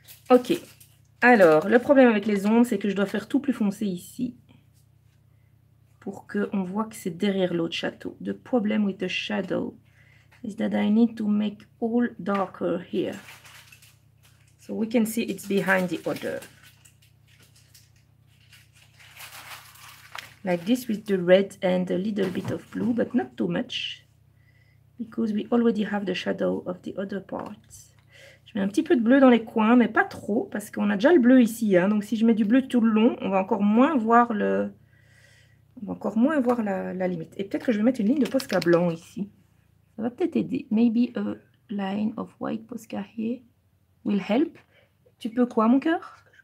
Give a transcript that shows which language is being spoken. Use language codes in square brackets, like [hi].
[fr] Ok, alors le problème avec les ombres, c'est que je dois faire tout plus foncé ici pour qu'on voit que c'est derrière l'autre château. [en] The problem with the shadow is that I need to make all darker here. So we can see it's behind the other. Like this with the red and a little bit of blue, but not too much because we already have the shadow of the other part. [fr] Je mets un petit peu de bleu dans les coins, mais pas trop, parce qu'on a déjà le bleu ici. Hein. Donc si je mets du bleu tout le long, on va encore moins voir le... on va encore moins voir la limite. Et peut-être que je vais mettre une ligne de Posca blanc ici. Ça va peut-être aider. [en] Maybe a line of white Posca here will help. [fr] Tu peux quoi, mon cœur?